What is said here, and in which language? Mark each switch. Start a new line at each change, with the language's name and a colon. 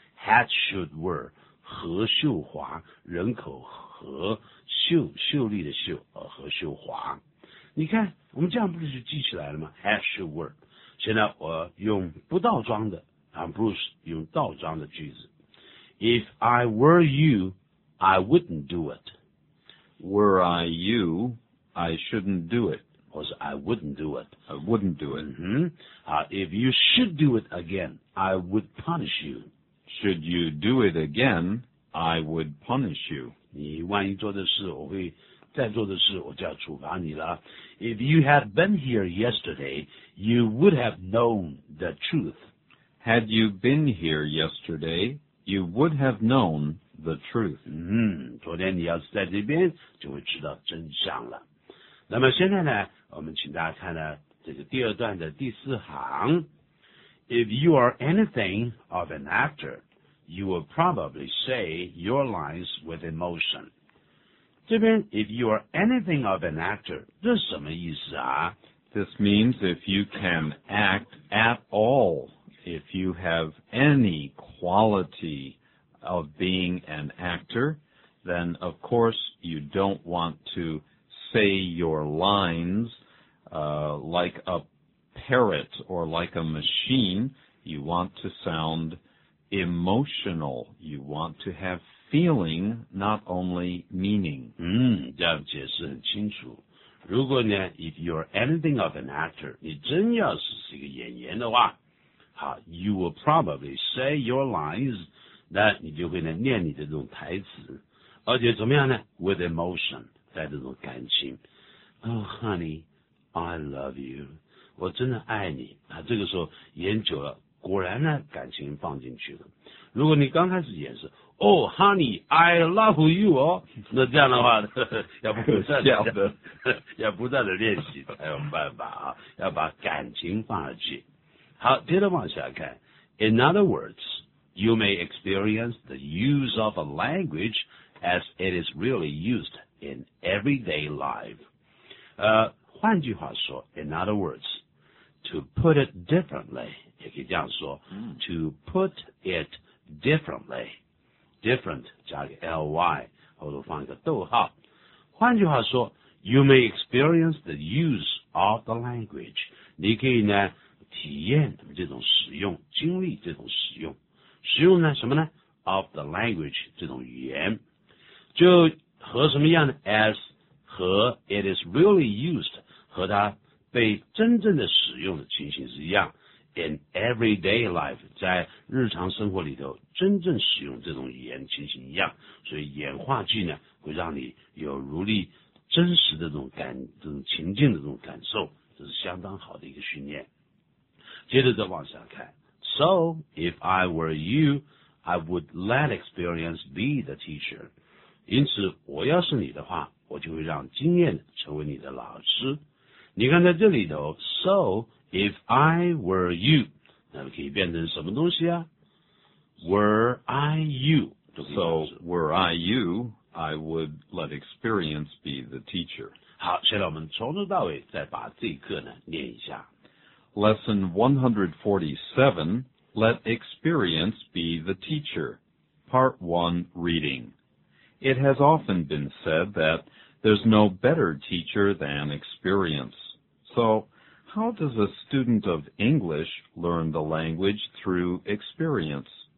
English: had, should, were,
Chinese: 何秀华，人口何秀，秀丽的秀，何秀华。你看，我们这样不是就记起来了吗 ？
English: had, should, were。
Chinese: 现在我用不倒装的啊 ，Bruce 用倒装的句子。
English: If I were you, I wouldn't do it. Were I you, I shouldn't do it. 或是 I wouldn't do it. I wouldn't do it. If you should do it again, I would punish you. Should you do it again, I would punish you.
Chinese: 你万一做的事，我会。再做的事我就要处罚你了。
English: If you had been here yesterday, you would have known the truth. Had you been here yesterday, you would have known the truth.
Chinese: 昨天你要是在这边就会知道真相了。那么现在呢，我们请大家看了这个第二段的第四行。
English: If you are anything of an actor, you will probably say your lines with emotion. 这边 if you are anything of an actor,
Chinese: 这是什么意思啊
English: This means if you can act at all, if you have any quality of being an actor, then of course you don't want to say your lines, like a parrot or like a machine. You want to sound emotional. You want to havefeeling, not only meaning.
Chinese: 这样解释很清楚。如果呢
English: if you're anything of an actor,
Chinese: 你真要是一个演员的话，好
English: you will probably say your lines,
Chinese: 那你就会呢念你的这种台词。而且怎么样呢
English: with emotion,
Chinese: 带这种感情。
English: Oh, honey, I love you.
Chinese: 我真的爱你。这个时候演久了果然呢感情放进去了。如果你刚开始演是
English: Oh, honey, I love you, 哦。
Chinese: 那这样的话要不断的练习才有办法啊，要把感情放下去。好，接着往下看。
English: In other words, you may experience the use of a language as it is really used in everyday life.
Chinese: 换句话说 ,
English: in other words, to put it differently,
Chinese: 也可以这样说、to put it differently,different 加个 ly 后头放一个逗号，换句话说
English: you may experience the use of the language,
Chinese: 你可以呢体验这种使用，经历这种使用，使用呢什么呢
English: of the language
Chinese: 这种语言，就和什么样呢 as 和
English: it is really used
Chinese: 和它被真正的使用的情形是一样。
English: In everyday life,
Chinese: 在日常生活里头真正使用这种语言情形一样，所以演话剧呢会让你有如历真实的这种情境的这种感受，这是相当好的一个训练。接着再往下看。
English: So, if I were you, I would let experience be the teacher.
Chinese: 因此我要是你的话，我就会让经验成为你的老师。你看在这里头 ,so,
English: If I were you,
Chinese: 那可以变成什么东西啊 ?
English: Were I you. So, were I you, I would let experience be the teacher.
Chinese: 好，现在我们从头到尾再把这一课呢念一下。
English: Lesson 147, Let experience be the teacher. Part 1 reading. It has often been said that there's no better teacher than experience. So, how does a student of English learn the language through experience?